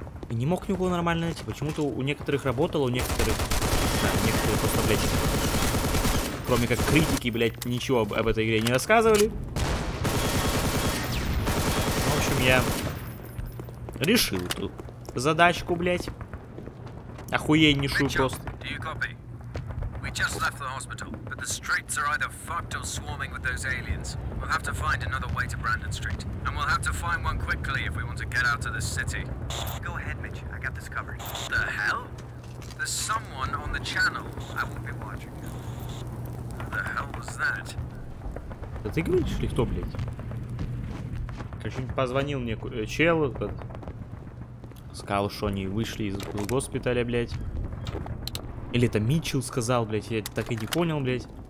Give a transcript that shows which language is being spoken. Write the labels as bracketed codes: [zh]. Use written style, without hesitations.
[ru] И не мог никого нормально найти. Почему-то у некоторых работало, у некоторых. Да, некоторые просто, блядь. Кроме как критики, блядь, ничего об этой игре не рассказывали. В общем, я. Решил эту задачку, блять. Охуеннейшую просто. [en] Do you copy? We just left the hospital, but the streets are either fucked or swarming with those aliens. We'll have to find another way to Brandon Street. And we'll have to find one quickly if we want to get out of this city. Go ahead, Mitch. I got this covered. The hell? There's someone on the channel. I won't be watching. Who the hell was that? [ru] Да ты говоришь ли кто, блять? Короче, позвонил мне чел. Сказал, что они вышли из госпиталя, блядь. Или это Митчелл сказал, блядь. Я так и не понял, блядь.